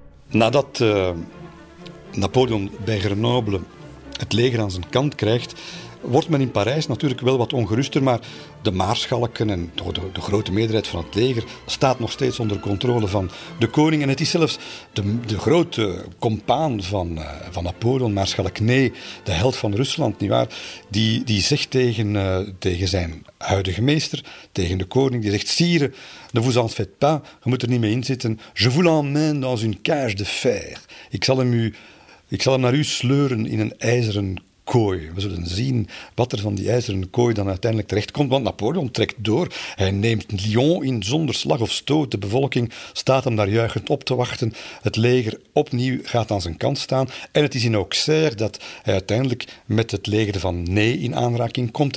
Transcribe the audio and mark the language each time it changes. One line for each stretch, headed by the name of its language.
Dutch: Nadat Napoleon bij Grenoble het leger aan zijn kant krijgt, wordt men in Parijs natuurlijk wel wat ongeruster, maar de maarschalken en de grote meerderheid van het leger staat nog steeds onder controle van de koning. En het is zelfs de grote compaan van Napoleon, maarschalk Ney, de held van Rusland, nietwaar, die zegt tegen zijn huidige meester, tegen de koning, die zegt,
French: sire, ne vous en faites pas,
Dutch: je moet er niet mee inzitten.
French: Je vous l'emmène dans une cage de fer.
Dutch: Ik zal hem naar u sleuren in een ijzeren kooi. We zullen zien wat er van die ijzeren kooi dan uiteindelijk terechtkomt, want Napoleon trekt door. Hij neemt Lyon in zonder slag of stoot. De bevolking staat hem daar juichend op te wachten. Het leger opnieuw gaat aan zijn kant staan. En het is in Auxerre dat hij uiteindelijk met het leger van Ney in aanraking komt.